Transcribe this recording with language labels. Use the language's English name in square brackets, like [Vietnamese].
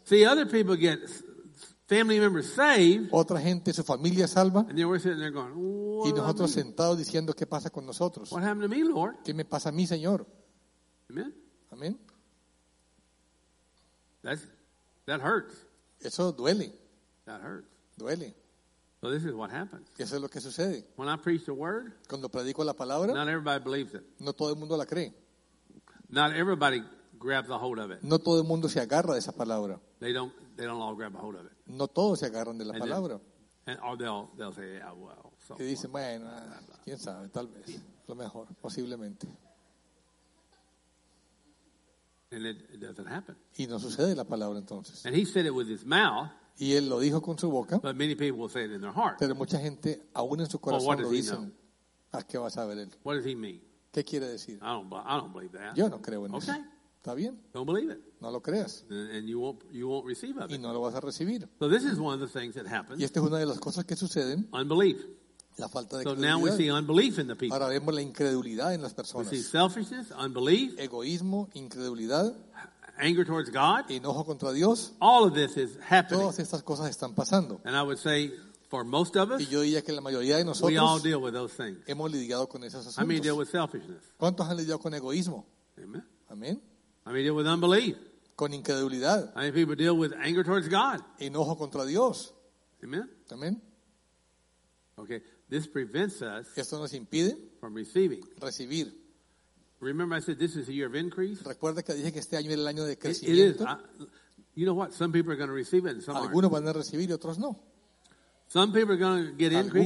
[English] See other people get family members saved. [Spanish] Otra gente, su familia salva. [English] And then we're sitting there going, what? [Spanish] Y nosotros sentados diciendo, ¿qué pasa con nosotros? [English] What happened to me, Lord? [Spanish] ¿Qué me pasa a mí, Señor? [English] Amen. [Spanish] Amen. [English] That hurts. [Spanish] Eso duele. [English] That hurts. [Spanish] Duele. [English] So this is what happens. [Spanish] Y eso es lo que sucede. [English] When I preach the word, [Spanish] cuando predico la palabra, [English] not everybody believes it. [Spanish] No todo el mundo la cree. [English] Not everybody grabs a hold of it. [Spanish] No todo el mundo se agarra de esa palabra. [English] They don't all grab a hold of it. [Spanish] No todos se agarran de la palabra. [English] And they'll say, yeah, well, [Spanish] y dicen, bueno, quién sabe, tal vez, lo mejor, posiblemente. [English] And it doesn't happen. [Spanish] Y no sucede la palabra entonces. [English] And he said it with his mouth. [Spanish] Y él lo dijo con su boca. [English] But many people will say it in their heart. [Spanish] Pero mucha gente, aún en su corazón, lo dicen. ¿A qué va a saber él? [English] What does he mean? [Spanish] ¿Qué quiere decir? [English] I don't believe that. [Spanish] Yo no creo en [English] okay. [Spanish] eso. ¿Está bien? [English] Don't believe it. [Spanish] No lo creas. [English] And you won't receive of it. [Spanish] Y no lo vas a recibir. [English] So this is one of the things that happens. [Spanish] Y esta es una de las cosas que suceden. [English] Unbelief. [Spanish] La falta de [English] so now we see unbelief in the people. [Spanish] Ahora vemos la incredulidad en las personas. [English] We see selfishness, unbelief, [Spanish] egoísmo, incredulidad, [English] anger towards God, [Spanish] enojo contra Dios. [English] All of this is happening. [Spanish] Todas estas cosas están pasando. [English] And I would say for most of us, [Spanish] y yo diría que la mayoría de nosotros, [English] we all deal with those things. [Spanish] Hemos lidiado con esos asuntos. [English] I mean, deal with selfishness. [Spanish] ¿Cuántos han lidiado con egoísmo? [English] Amen. [Spanish] Amén. [English] I mean, deal with unbelief. [Spanish] Con incredulidad. [English] I mean, people deal with anger towards God. [Spanish] Enojo contra Dios. [English] Amen. [Spanish] Amén. [English] Okay. This prevents us. [Spanish] Esto nos impide [English] from receiving. [Spanish] Recibir. [English] Remember, I said this is a year of increase. [Spanish] Recuerda que dije que este año era el año de crecimiento. [English] It is. You know what? Some people are going to receive it, and some [Spanish] algunos [English] aren't. [Spanish] Van a recibir y otros no. [English] Some people are going to get increase,